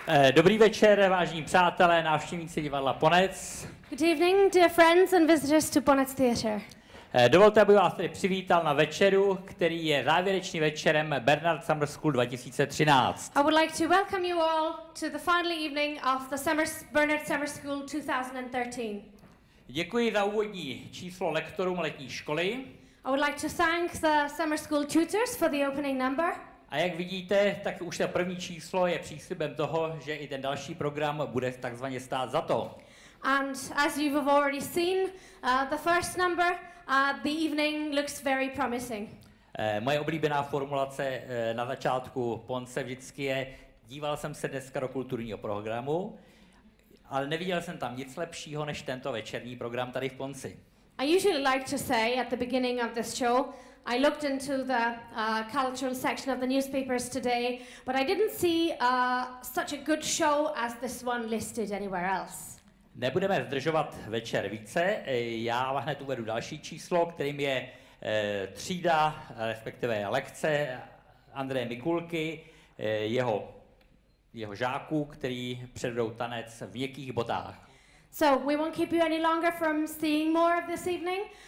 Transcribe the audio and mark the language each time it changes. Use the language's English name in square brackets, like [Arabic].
[Czech] Dobrý večer, vážení přátelé, návštěvníci divadla Ponec. [English] Good evening, dear friends and visitors to Ponec Theatre. [Czech] Dovolte, abych vás tady přivítal na večeru, který je závěrečný večerem Bernard Summer School 2013. [English] I would like to welcome you all to the final evening of the Bernard Summer School 2013. [Czech] Děkuji za úvodní číslo lektorům letní školy. [English] I would like to thank the summer school tutors for the opening number. [Czech] A jak vidíte, tak už to první číslo je příslibem toho, že i ten další program bude takzvaně stát za to. [English] And as you've already seen, the first number, the evening looks very promising. [Czech] Moje oblíbená formulace na začátku Ponce vždycky je, díval jsem se dneska do kulturního programu, ale neviděl jsem tam nic lepšího než tento večerní program tady v Ponci. [English] I usually like to say at the beginning of this show, I looked into the cultural section of the newspapers today, but I didn't see such a good show as this one listed anywhere else. [Czech] Nebudeme zdržovat večer více. Já vám hned uvedu další číslo, kterým je třída, respektive lekce Andreje Mikulky, jeho žáků, který předvedou tanec v měkkých botách. [English] So we won't keep you any longer from seeing more of this evening.